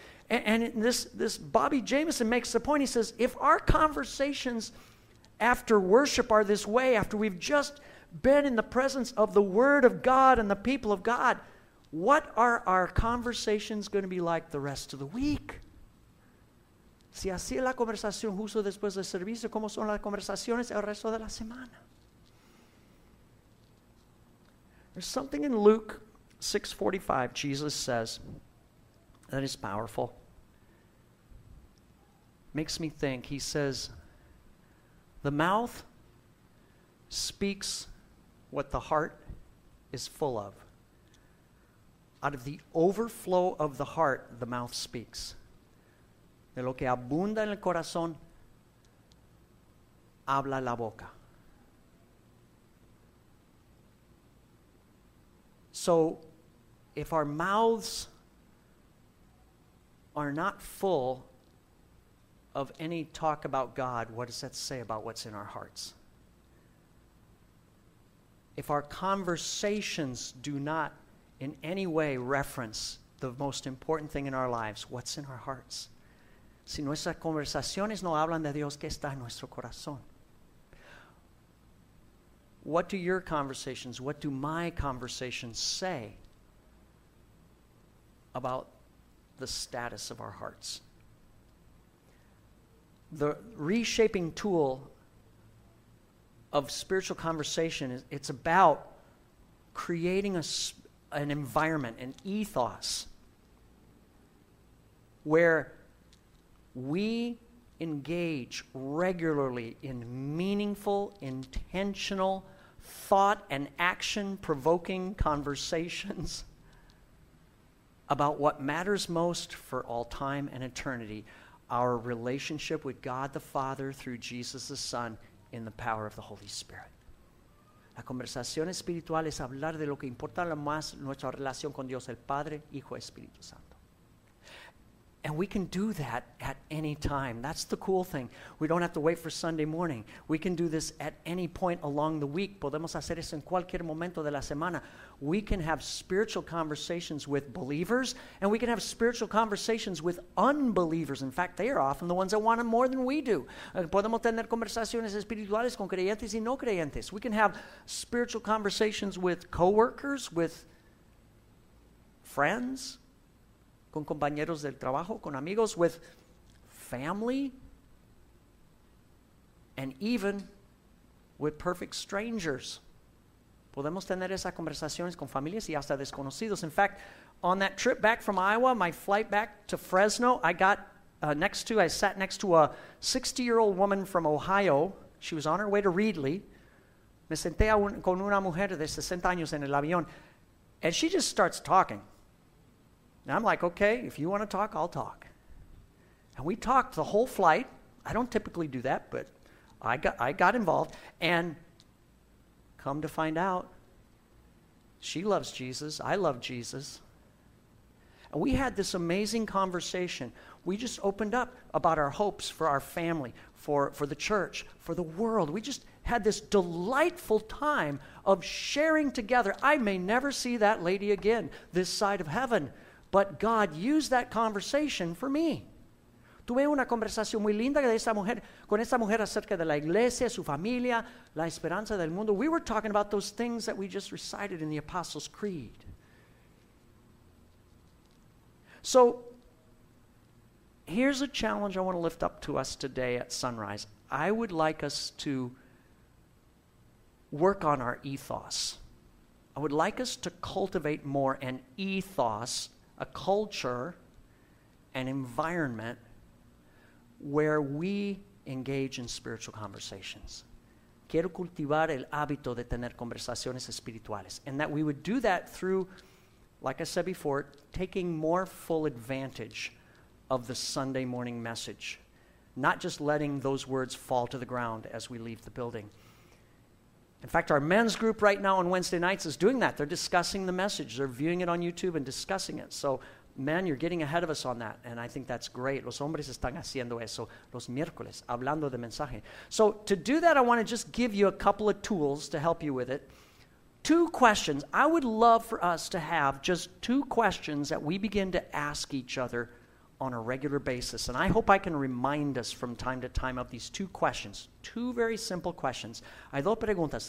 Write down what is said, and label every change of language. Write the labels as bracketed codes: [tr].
[en] And this Bobby Jameson makes the point, he says, if our conversations after worship are this way, after we've just been in the presence of the Word of God and the people of God, what are our conversations going to be like the rest of the week? [es] Si así es la conversación justo después del servicio, ¿cómo son las conversaciones el resto de la semana? [en] There's something in Luke 6:45 Jesus says that is powerful. Makes me think. He says, the mouth speaks what the heart is full of. Out of the overflow of the heart, the mouth speaks. [es] De lo que abunda en el corazón, habla la boca. [en] So, if our mouths are not full of any talk about God, what does that say about what's in our hearts? If our conversations do not in any way reference the most important thing in our lives, what's in our hearts? [es] Si nuestras conversaciones no hablan de Dios, ¿qué está en nuestro corazón? [en] What do your conversations, what do my conversations say about the status of our hearts? The reshaping tool of spiritual conversation, it's about creating an environment, an ethos, where we engage regularly in meaningful, intentional, thought and action provoking conversations about what matters most for all time and eternity, our relationship with God the Father through Jesus the Son, in the power of the Holy Spirit. [es] La conversación espiritual es hablar de lo que importa lo más, nuestra relación con Dios el Padre, Hijo, Espíritu Santo. [en] And we can do that at any time. That's the cool thing. We don't have to wait for Sunday morning. We can do this at any point along the week. [es] Podemos hacer eso en cualquier momento de la semana. [en] We can have spiritual conversations with believers, and we can have spiritual conversations with unbelievers. In fact, they are often the ones that want it more than we do. [es] Podemos tener conversaciones espirituales con creyentes y no creyentes. [en] We can have spiritual conversations with coworkers, with friends, [es] con compañeros del trabajo, con amigos, [en] with family, and even with perfect strangers. [es] Podemos tener esas conversaciones con familias y hasta desconocidos. [en] In fact, on that trip back from Iowa, my flight back to Fresno, I got next to, I sat next to a 60-year-old woman from Ohio. She was on her way to Reedley. [es] Me senté con una mujer de 60 años en el avión. [en] And she just starts talking. And I'm like, okay, if you want to talk, I'll talk. And we talked the whole flight. I don't typically do that, but I got involved. And come to find out, she loves Jesus. I love Jesus. And we had this amazing conversation. We just opened up about our hopes for our family, for the church, for the world. We just had this delightful time of sharing together. I may never see that lady again, this side of heaven, but God used that conversation for me. [es] Tuve una conversación muy linda de esa mujer, con esa mujer acerca de la iglesia, su familia, la esperanza del mundo. [en] We were talking about those things that we just recited in the Apostles' Creed. So, here's a challenge I want to lift up to us today at Sunrise. I would like us to work on our ethos. I would like us to cultivate more an ethos, a culture, an environment where we engage in spiritual conversations. [es] Quiero cultivar el hábito de tener conversaciones espirituales. [en] And that we would do that through, like I said before, taking more full advantage of the Sunday morning message, not just letting those words fall to the ground as we leave the building. In fact, our men's group right now on Wednesday nights is doing that. They're discussing the message. They're viewing it on YouTube and discussing it. So, men, you're getting ahead of us on that, and I think that's great. [es] Los hombres están haciendo eso los miércoles, hablando de mensaje. [en] So, to do that, I want to just give you a couple of tools to help you with it. Two questions. I would love for us to have just two questions that we begin to ask each other on a regular basis, and I hope I can remind us from time to time of these two questions, two very simple questions. [es] Hay dos preguntas.